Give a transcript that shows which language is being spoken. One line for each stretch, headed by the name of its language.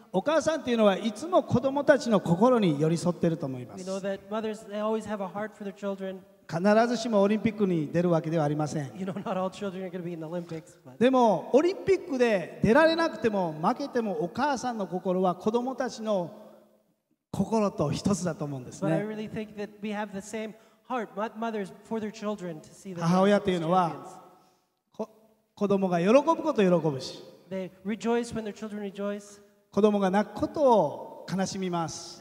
Japanese: お母さんというのはいつも子供たちの心に寄り添っていると思います。
English: We know that mothers, they always have a heart for their children.
Japanese: 必ずしもオリンピックに出るわけではありません。
English: You know, not all children are going to be in the Olympics, but...
Japanese: でもオリンピックで出られなくても負けてもお母さんの心は子供たちの心と一つだと思うんですね。
English: Really、heart,
Japanese: 母親というのは子供が喜ぶことを喜ぶし、子供が泣くことを悲しみます、